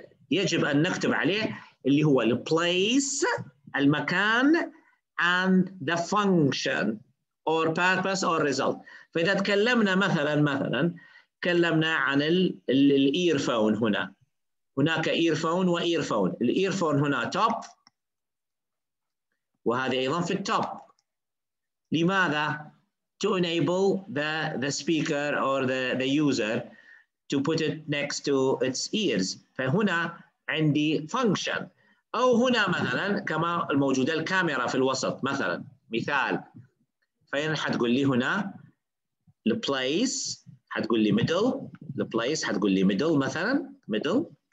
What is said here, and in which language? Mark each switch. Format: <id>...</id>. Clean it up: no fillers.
<ar>يجب أن نكتب عليه اللي هو</ar> <en>the place</en> <ar>المكان</ar> <en>and the function or purpose or result.</en> <ar>فإذا تكلمنا مثلاً تكلمنا عن الـ earphone هنا. هناك earphone و earphone. الـ earphone هنا top وهذا أيضاً في top.</ar> <en>لماذا؟ To enable the speaker or the user to put it next to its ears.</en> <ar>فهنا عندي function. أو هنا مثلاً كما الموجودة الكاميرا في الوسط مثلاً. مثال. فهنا حتقول لي هنا the place. حتقول لي middle. The place حتقول لي middle مثلاً.</ar> <en>Middle.</en>